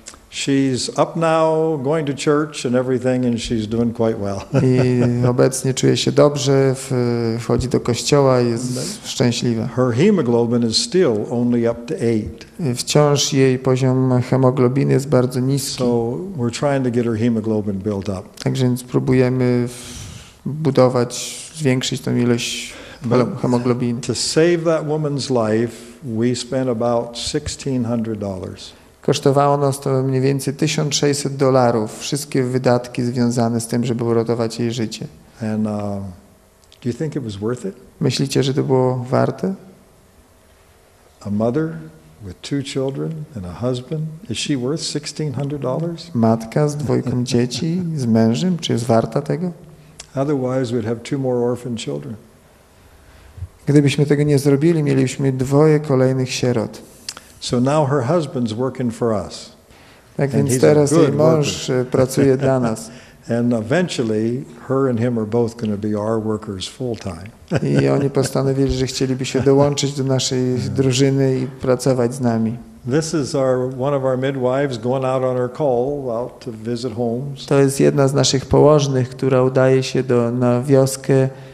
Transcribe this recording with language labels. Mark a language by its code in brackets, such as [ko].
[en] She's up now, going to church and everything, and she's doing quite well. [pl] I obecnie czuje się dobrze, wchodzi do kościoła, jest szczęśliwa. [en] Her hemoglobin is still only up to 8. [pl] Wciąż jej poziom hemoglobiny jest bardzo niski. [en] So we're trying to get her hemoglobin built up. [pl] Także więc próbujemy budować, zwiększyć tą ilość hemoglobiny. [en] To save that woman's life, we spent about $1,600. [pl] Kosztowało nas to mniej więcej $1,600, wszystkie wydatki związane z tym, żeby uratować jej życie. [en] And, do you think it was worth it? [pl] Myślicie, że to było warte? [en] A mother with two children and a husband, is she worth $1,600? [pl] Matka z dwójką dzieci, z mężem, czy jest warta tego? [en] Otherwise we'd have two more orphan children. [pl] Gdybyśmy tego nie zrobili, mielibyśmy dwoje kolejnych sierot. [en] So now her husband's working for us. [pl] Tak więc teraz jej mąż pracuje dla nas. [en] And eventually her and him are both going to be our workers full time. [pl] I oni postanowili, że chcieliby się dołączyć do naszej drużyny i pracować z nami. [en] This is one of our midwives going out on her call out to visit homes. [pl] To jest jedna z naszych położnych, która udaje się na wioskę.